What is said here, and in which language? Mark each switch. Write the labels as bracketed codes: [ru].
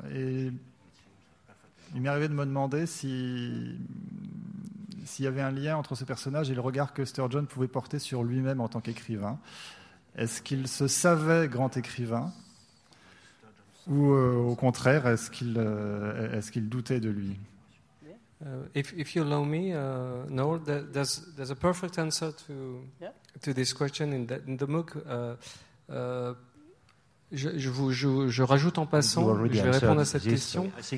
[fr] Et il m'est arrivé de me demander s'il y avait un lien entre ce personnage et le regard que Sturgeon pouvait porter sur lui-même en tant qu'écrivain. Est-ce qu'il se savait grand écrivain ou au contraire, est-ce qu'il doutait de lui? [en] If you allow me, Noel, there's a perfect answer to this question in the MOOC. [fr] Je rajoute en passant, je vais répondre à cette question.